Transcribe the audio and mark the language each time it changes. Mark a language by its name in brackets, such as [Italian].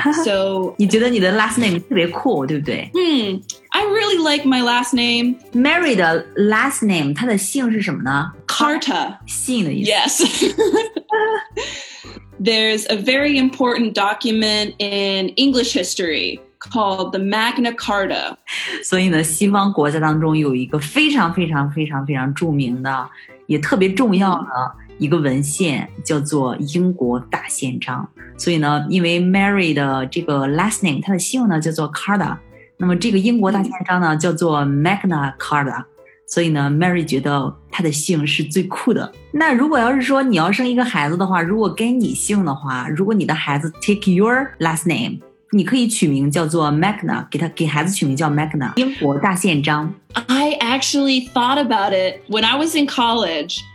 [English] So, [Chinese] 你觉得你的 last name 特别 cool, 对不对 [English] I really like my last name. [Chinese] Mary 的 last name, 她的姓是什么呢 [English] Carta. [Chinese] 姓的意思。 [English] Yes. There's a very important document in English history. Called the Magna Carta. [Chinese] 所以呢西方国家当中有一个非常非常非常非常著名的也特别重要的一个文献叫做英国大宪章。所以呢因为 Mary 的这个 last name, 她的姓呢叫做 Carta, 那么这个英国大宪章呢叫做 Magna Carta。所以呢 Mary 觉得她的姓是最酷的。那如果要是说你要生一个孩子的话如果跟你姓的话如果你的孩子 [English] take your last name, [Chinese] 你可以取名叫做 Magna, 给孩子取名叫 Magna, 英国大宪章。 [English] I actually thought about it when I was in college.